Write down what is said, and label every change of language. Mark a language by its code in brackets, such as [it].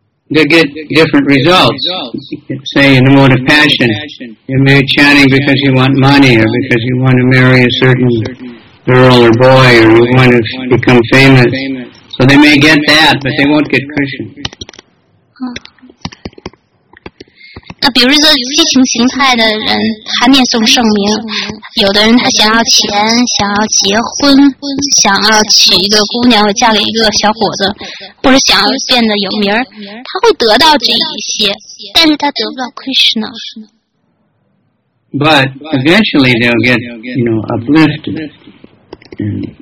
[en] They get different results. Say in the mode of passion, you may be chanting because you want money or because you want to marry a certain girl or boy or you want to become famous. So they may get that, but they won't get Krishna. [zh] 比如说激情形态的人，他念诵圣名，有的人他想要钱，想要结婚，想要娶一个姑娘，嫁给一个小伙子，或者想要变得有名，他会得到这一些，但是他得不到 Krishna。 [en] But eventually they'll get, you know, uplifted and